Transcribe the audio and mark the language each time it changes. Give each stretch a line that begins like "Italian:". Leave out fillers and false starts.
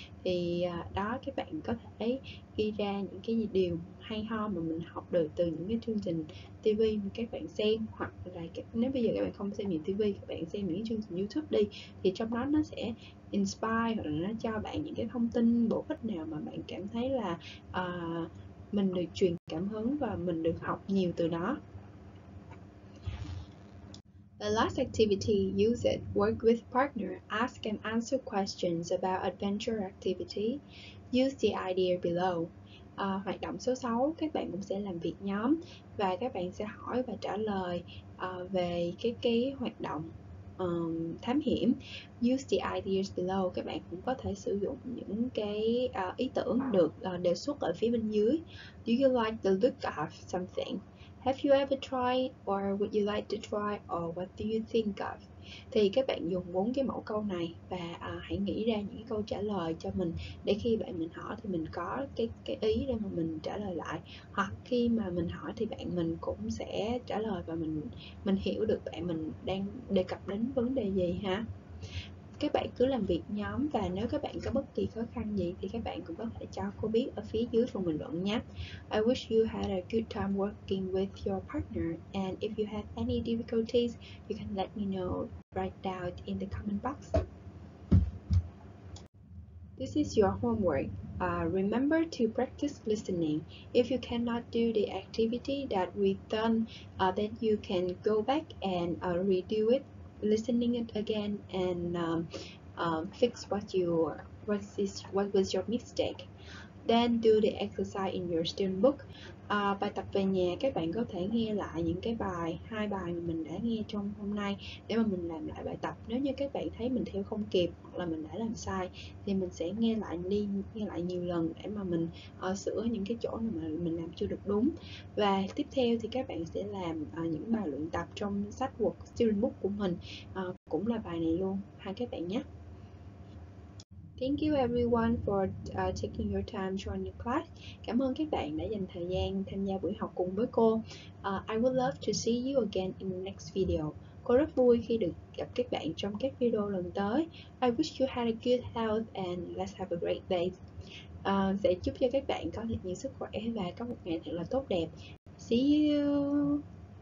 Vietnamese: Thì đó, các bạn có thể ghi ra những cái điều hay ho mà mình học được từ những cái chương trình TV mà các bạn xem, hoặc là nếu bây giờ các bạn không xem những TV, các bạn xem những cái chương trình YouTube đi, thì trong đó nó sẽ inspire hoặc là nó cho bạn những cái thông tin bổ ích nào mà bạn cảm thấy là mình được truyền cảm hứng và mình được học nhiều từ đó.
English: The last activity, use it, work with partner, ask and answer questions about adventure activity, use the idea below.
Vietnamese: Hoạt động số 6, các bạn cũng sẽ làm việc nhóm và các bạn sẽ hỏi và trả lời về cái hoạt động thám hiểm.
English: Use the ideas below,
Vietnamese: các bạn cũng có thể sử dụng những cái ý tưởng được đề xuất ở phía bên dưới.
English: Do you like the look of something? Have you ever tried, or would you like to try, or what do you think of?
Vietnamese: Thì các bạn dùng 4 cái mẫu câu này và hãy nghĩ ra những câu trả lời cho mình, để khi bạn mình hỏi thì mình có cái ý để mà mình trả lời lại, hoặc khi mà mình hỏi thì bạn mình cũng sẽ trả lời và mình hiểu được bạn mình đang đề cập đến vấn đề gì ha. Các bạn cứ làm việc nhóm và nếu các bạn có bất kỳ khó khăn gì thì các bạn cũng có thể cho cô biết ở phía dưới phần bình luận nhé.
English: I wish you had a good time working with your partner, and if you have any difficulties, you can let me know right down in the comment box. This is your homework. Remember to practice listening. If you cannot do the activity that we've done, then you can go back and redo it. Listening it again and fix what was your mistake. Then do the exercise in your student book.
Vietnamese: Bài tập về nhà, các bạn có thể nghe lại những cái bài, hai bài mà mình đã nghe trong hôm nay để mà mình làm lại bài tập. Nếu như các bạn thấy mình theo không kịp hoặc là mình đã làm sai thì mình sẽ nghe lại nhiều lần để mà mình sửa những cái chỗ mà mình làm chưa được đúng. Và tiếp theo thì các bạn sẽ làm những bài luyện tập trong sách work student book của mình, cũng là bài này luôn ha các bạn nhé.
English: Thank you everyone for taking your time to join the class.
Vietnamese: Cảm ơn các bạn đã dành thời gian tham gia buổi học cùng với cô.
English: I would love to see you again in the next video.
Vietnamese: Cô rất vui khi được gặp các bạn trong các video lần tới.
English: I wish you had a good health and let's have a great day.
Vietnamese: Sẽ chúc cho các bạn có thật nhiều sức khỏe và có một ngày thật là tốt đẹp.
English: See you!